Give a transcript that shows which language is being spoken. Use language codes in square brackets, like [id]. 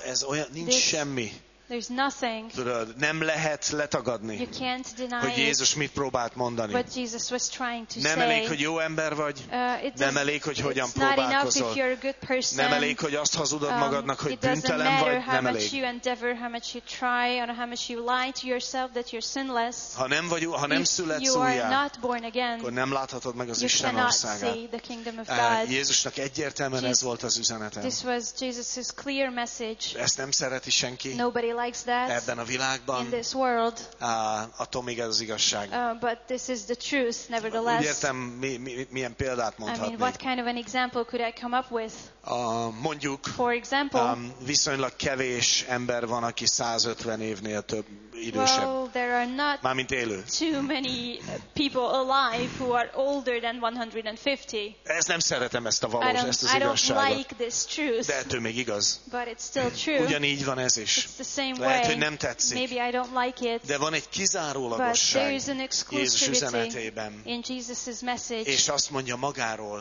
[hu] Ez olyan, nincs [en] this, [hu] semmi. [en] There's nothing. [hu] Tudod, nem lehet letagadni, [en] you can't deny [hu] hogy Jézus mit próbált mondani. [en] What Jesus was trying to [hu] nem [en] say. [hu] Elég, hogy jó ember vagy. Nem elég, hogy hogyan próbálkozol. Nem elég, hogy azt hazudod magadnak, hogy bűntelen vagy. Nem elég. [en] You endeavor, how much you try, or how much you lie to yourself that you're sinless. [hu] Ha nem születsz újjá, akkor nem láthatod meg az Isten országát. [en] See the kingdom of God. [hu] Jézusnak egyértelműen ez volt az üzenete. [en] This was Jesus's clear message. [hu] Ezt nem szereti senki. [en] Nobody likes that [hu] ebben a világban, [en] in this world. [hu] Attól még ez az igazság. [en] But this is the truth, nevertheless. [hu] Úgy értem, milyen példát mondhatnék. [en] I mean, what kind of an example could I come up with? [hu] Mondjuk, [en] for example, [hu] viszonylag kevés ember van, aki 150 évnél több idősebb. [en] Well, there are not [hu] mármint élő. [en] Too many people alive who are older than 150. [hu] Ezt nem szeretem, ezt a valós, ezt az igazságot. [en] I don't like this truth. [hu] De ettől még igaz. [en] But it's still true. [hu] Ugyanígy van ez is. [en] It's the same [hu] lehet, [en] way. [hu] Hogy nem tetszik. [en] Maybe I don't like it. [hu] De van egy kizárólagosság Jézus üzenetében. [en] In Jesus' message. [hu] És azt mondja magáról.